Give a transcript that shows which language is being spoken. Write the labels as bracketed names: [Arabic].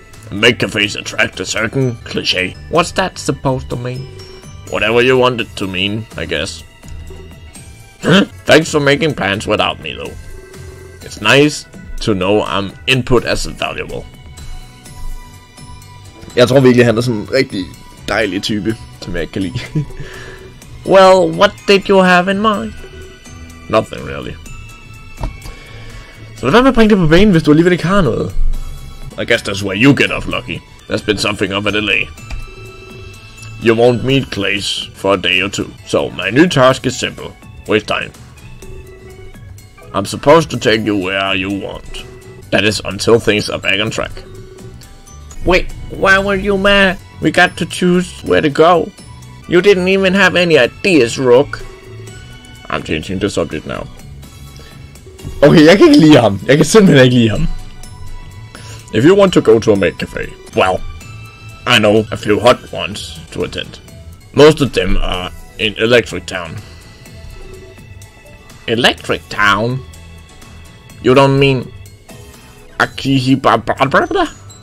[English] Make-cafes attract a certain cliché. What's that supposed to mean? Whatever you want it to mean, I guess. Thanks for making plans without me, though. It's nice to know I'm input as valuable. [Danish] Jeg tror virkelig, han er sådan en rigtig dejlig type, som jeg ikke kan lide. [English] Well, what did you have in mind? Nothing, really. [Danish] Så lad være med at bringe det på banen, hvis du alligevel ikke har noget. [English] I guess that's where you get off lucky. There's been something of a delay. You won't meet Clay's for a day or two. So, my new task is simple. Waste time. I'm supposed to take you where you want. That is, until things are back on track. Wait, why were you mad? We got to choose where to go. You didn't even have any ideas, Rook. I'm changing the subject now. [Danish] Okay, jeg kan ikke lide ham. Jeg kan simpelthen ikke lide ham. [English] If you want to go to a make cafe, well, I know a few hot ones to attend. Most of them are in Electric Town. Electric Town? You don't mean Akihibabara?